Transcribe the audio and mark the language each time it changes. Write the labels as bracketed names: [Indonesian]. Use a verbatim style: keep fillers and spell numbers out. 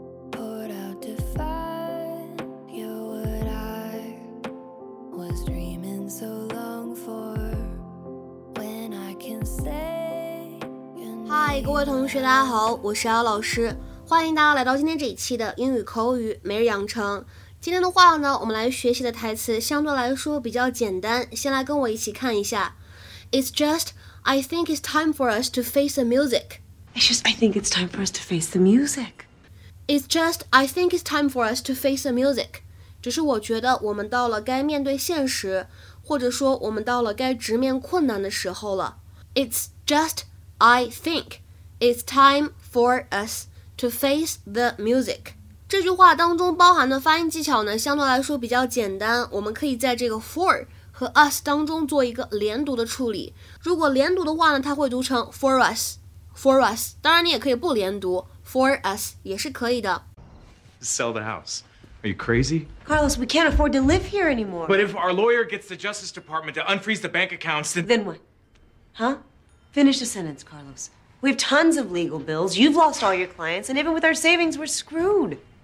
[English] Poured out to find you what I was dreaming so long for. When I can say your name. [Chinese] 嗨，各位同学，大家好，我是姚老师，欢迎大家来到今天这一期的英语口语每日养成。今天的话呢，我们来学习的台词相对来说比较简单，先来跟我一起看一下。 [English] It's just, I think it's time for us to face the music. It's just, I think it's time for us to face the music. It's just, I think it's time for us to face the music. [Chinese] 只是我觉得我们到了该面对现实，或者说我们到了该直面困难的时候了。 [English] It's just, I think it's time for us to face the music. [Chinese] 这句话当中包含的发音技巧呢，相对来说比较简单，我们可以在这个 for 和 us 当中做一个连读的处理。如果连读的话呢，它会读成 for us, for us。当然，你也可以不连读 for us 也是可以的。 [English] Sell the house. Are you crazy? Carlos, we can't afford to live here anymore. But if our lawyer gets the Justice Department to unfreeze the bank accounts, then... Then what? Huh? Finish the sentence, Carlos. We have tons of legal bills. You've lost all your clients, and even with our savings, we're screwed.